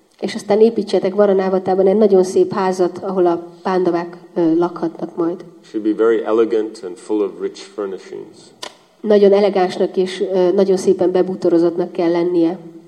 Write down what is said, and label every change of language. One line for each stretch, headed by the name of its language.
Hungarian: És aztán építsetek Varanavatában egy nagyon szép házat, ahol a Pándavák lakhatnak majd.
English: Should be very elegant and full of rich furnishings.
Hungarian: Nagyon elegánsnak és nagyon szépen bebútorozottnak kell lennie.